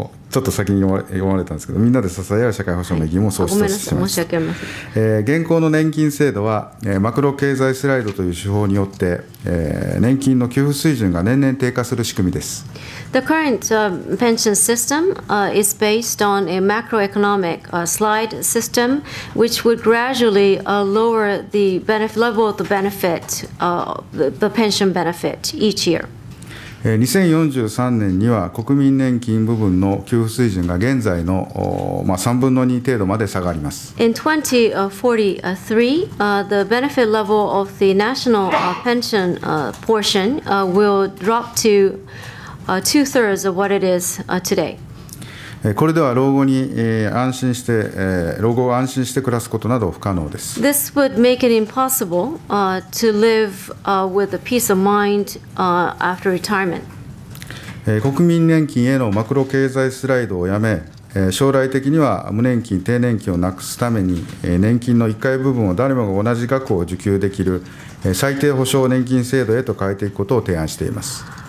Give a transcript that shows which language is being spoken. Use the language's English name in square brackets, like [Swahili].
[Japanese] ちょっと先に読まれたんですけど、みんなで支え合う社会保障の意義も創出します。ごめんなさい、申し訳ありません。現行の年金制度は、マクロ経済スライドという手法によって、年金の給付水準が年々低下する仕組みです。 [English] The current pension system is based on a macroeconomic slide system, which would gradually lower the benefit level of the benefit, the pension benefit each year. [Japanese] 2043年には国民年金部分の給付水準が現在の3分の2程度まで下がります。 [English] In 2043, the benefit level of the national pension portion will drop to two-thirds of what it is today. [Japanese] これでは老後を安心して暮らすことなど不可能です。 [English] This would make it impossible to live with a peace of mind after retirement. [Japanese] 国民年金へのマクロ経済スライドをやめ、将来的には無年金、低年金をなくすために、年金の1回部分を誰もが同じ額を受給できる最低保障年金制度へと変えていくことを提案しています。